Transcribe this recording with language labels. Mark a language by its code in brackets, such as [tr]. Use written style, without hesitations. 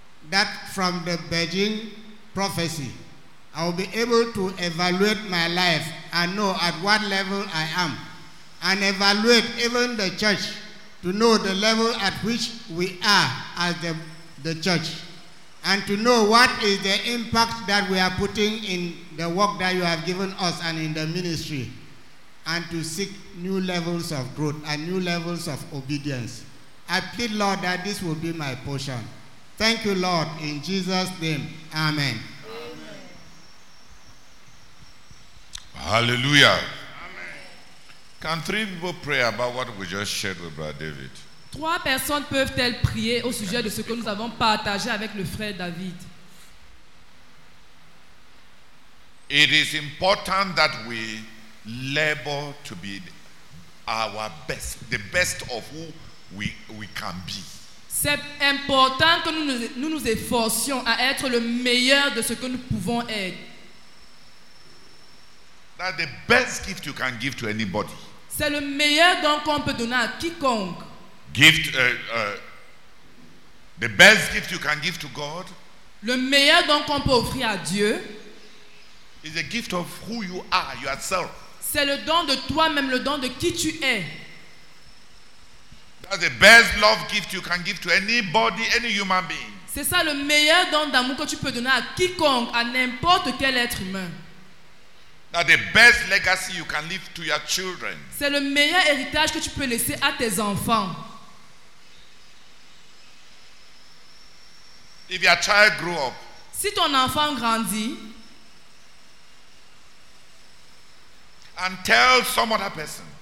[en] That from the Beijing prophecy, I will be able to evaluate my life and know at what level I am, and evaluate even the church to know the level at which we are as the church, and to know what is the impact that we are putting in the work that you have given us and in the ministry, and to seek new levels of growth and new levels of obedience. I plead, Lord, that this will be my portion. Thank you, Lord, in Jesus' name. Amen. Hallelujah. Amen. Can three people pray about what we just shared with Brother David? [fr] Trois personnes peuvent-elles prier au sujet de ce que nous avons partagé avec le frère David? [en] It is important that we labor to be our best, the best of who we can be. [fr] C'est important que nous nous efforcions à être le meilleur de ce que nous pouvons être. [en] That the best gift you can give to anybody. [fr] C'est le meilleur don qu'on peut donner à quiconque. [en] Gift, the best gift you can give to God. [fr] Le meilleur don qu'on peut offrir à Dieu. [en] Is the gift of who you are, yourself. [fr] C'est le don de toi-même, le don de qui tu es. [en] That's the best love gift you can give to anybody, any human being. [fr] C'est ça le meilleur don d'amour que tu peux donner à quiconque, à n'importe quel être humain. [en] That the best legacy you can leave to your children. [fr] C'est le meilleur héritage que tu peux laisser à tes enfants. [en] If your child grew up, [fr] si ton enfant grandit, [en] and tell some other person,